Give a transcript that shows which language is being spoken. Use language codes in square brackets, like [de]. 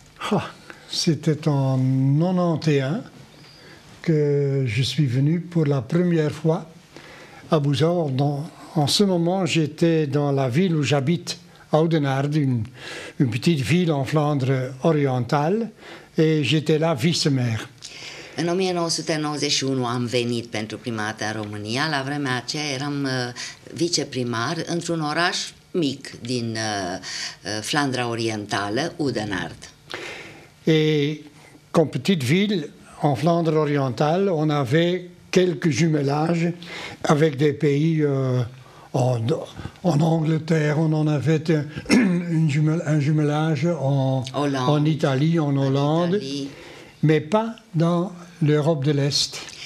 [fr] Ah, c'était en 91 que je suis venu pour la première fois à Buzău. En ce moment, j'étais dans la ville où j'habite, Oudenaarde, une petite ville en Flandre orientale, et j'étais là vice-maire. [ro] În 1991 am venit pentru prima dată în România. La vremea aceea eram viceprimar într-un oraș mic din Flandra Orientală, Oudenaarde. [fr] Et comme petite ville en Flandre Orientale, on avait quelques jumelages avec des pays en Angleterre, on en avait un jumelage en Italie, en Hollande, mais pas dans l'Europe de l'Est.